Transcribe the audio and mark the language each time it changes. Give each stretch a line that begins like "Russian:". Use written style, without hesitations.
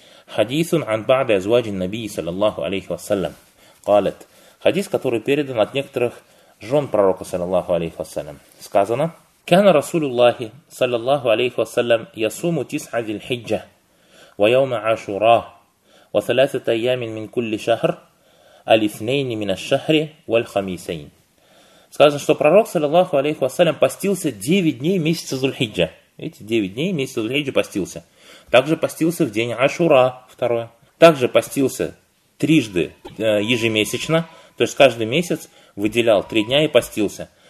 Russian: Хадисун ан ба'ды азваджин набии, саллаллаху алейхи вассалям. Калет. Хадис, который передан от некоторых жен пророка, саллаллаху алейхи вассалям. Сказано. Кана Расулуллахи, саллаллаху алейхи вассалям, ясуму тис'а зильхиджа, ва яума ашура.
Arabic: وثلاثة أيام من كل شهر الاثنين من الشهر والخميسين.
Russian: Сказано, что пророк, саллаллаху алейхи вассалям, постился 9 дней месяца Зульхиджа. Эти 9 дней месяца Зульхиджа постился. Также постился в день Ашура, второе. Также постился трижды ежемесячно, то есть каждый месяц выделял 3 дня и постился.